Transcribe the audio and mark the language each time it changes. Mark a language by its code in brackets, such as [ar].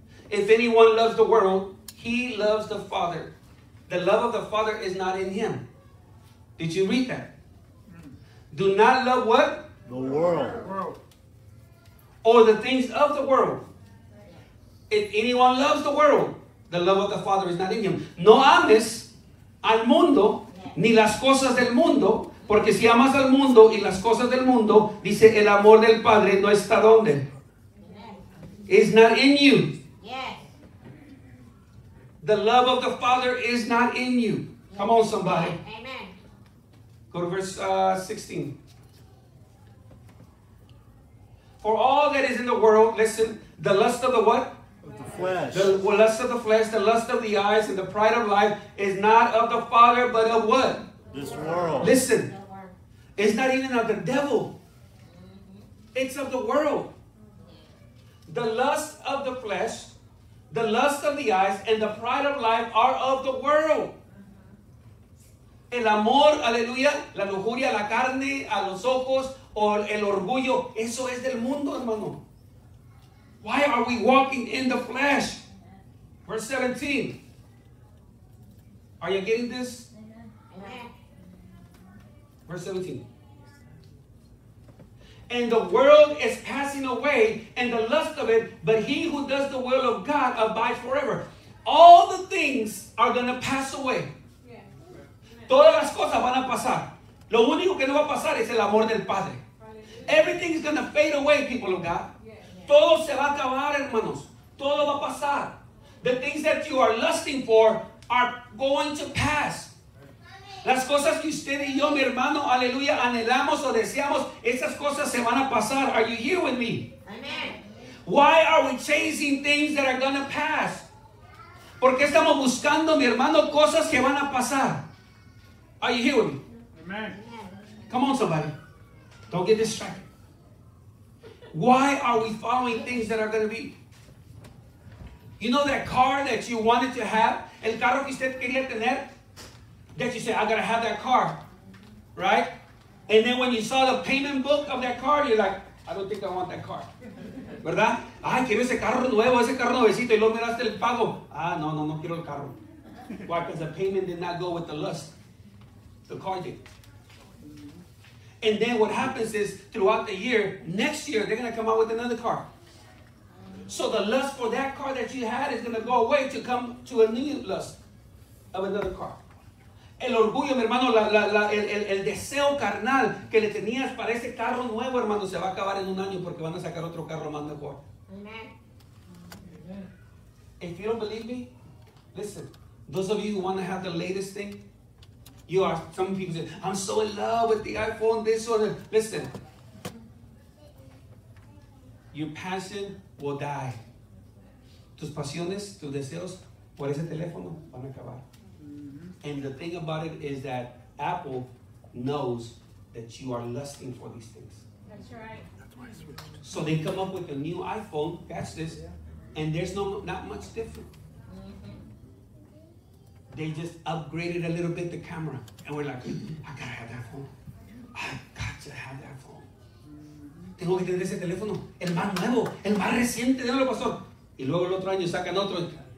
[en] If anyone loves the world, he loves the Father. The love of the Father is not in him. Did you read that? Do not love what? The world. Or the things of the world. If anyone loves the world, the love of the Father is not in him. [es] No ames al mundo ni las cosas del mundo. Porque si amas al mundo y las cosas del mundo, dice, el amor del Padre no está donde. [en] It's not in you. Yes. The love of the Father is not in you. Yes. Come on, somebody. Amen. Go to verse 16. For all that is in the world, listen, the lust of the what? The flesh. The lust of the flesh, the lust of the eyes, and the pride of life is not of the Father, but of what? This world. Listen. It's not even of the devil. It's of the world. The lust of the flesh, the lust of the eyes, and the pride of life are of the world. [es] El amor, aleluya, la lujuria, la carne, a los ojos, o el orgullo, eso es del mundo, hermano. [en] Why are we walking in the flesh? Verse 17. Are you getting this? Verse 17. And the world is passing away and the lust of it, but he who does the will of God abides forever. All the things are going to pass away. Yeah. [es] Todas las cosas van a pasar. Lo único que no va a pasar es el amor del Padre. [en] Everything is going to fade away, people of God. [es] Todo se va a acabar, hermanos. Todo va a pasar. [en] The things that you are lusting for are going to pass. [es] Las cosas que usted y yo, mi hermano, aleluya, anhelamos o deseamos, esas cosas se van a pasar. [en] Are you here with me? Amen. Why are we chasing things that are going to pass? [es] ¿Por qué estamos buscando, mi hermano, cosas que van a pasar? [en] Are you here with me? Amen. Come on, somebody. Don't get distracted. Why are we following things that are going to be? You know that car that you wanted to have? [es] El carro que usted quería tener? [en] That you say, I gotta have that car, right? And then when you saw the payment book of that car, you're like, I don't think I want that car. [es] ¿Verdad? Ay, quiero ese carro nuevo, ese carro nuevecito. Y luego me daste el pago. Ah, no, no, no quiero el carro. [en] Why? Because the payment did not go with the lust. The car did. And then what happens is, throughout the year, next year, they're gonna come out with another car. So the lust for that car that you had is gonna go away to come to a new lust of another car. [es] El orgullo, mi hermano, el deseo carnal que le tenías para ese carro nuevo, hermano, se va a acabar en un año porque van a sacar otro carro más mejor. [en] Amen. Amen. If you don't believe me, listen. Those of you who want to have the latest thing, you are, some people say, I'm so in love with the iPhone, this or that. Listen. Your passion will die. [es] Tus pasiones, tus deseos por ese teléfono van a acabar. [en] And the thing about it is that Apple knows that you are lusting for these things. That's right. That's why. So they come up with a new iPhone, catch this, yeah. And there's not much different. Mm-hmm. They just upgraded a little bit the camera. And we're like, I gotta have that phone. I gotta have that phone. Mm-hmm. [es] Tengo que tener ese teléfono. El más nuevo, el más reciente, dímelo, pastor. Y luego el otro año sacan otro.